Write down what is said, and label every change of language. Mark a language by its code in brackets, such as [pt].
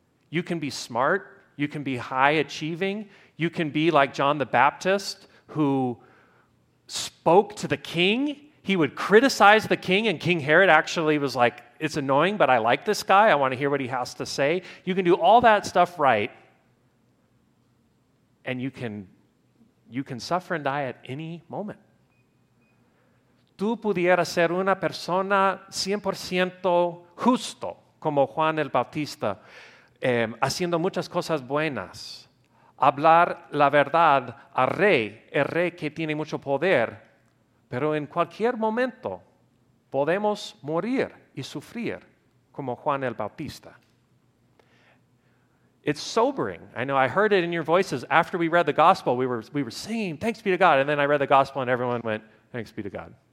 [en] You can be smart. You can be high achieving. You can be like John the Baptist, who spoke to the king. He would criticize the king, and King Herod actually was like, it's annoying, but I like this guy. I want to hear what he has to say. You can do all that stuff right. And you can suffer and die at any moment. [es] Tú pudieras ser una persona 100% justo, como Juan el Bautista, haciendo muchas cosas buenas. Hablar la verdad al rey, el rey que tiene mucho poder. Pero en cualquier momento podemos morir y sufrir, como Juan el Bautista. [en] It's sobering. I know I heard it in your voices. After we read the gospel, we were singing, thanks be to God. And then I read the gospel and everyone went, thanks be to God.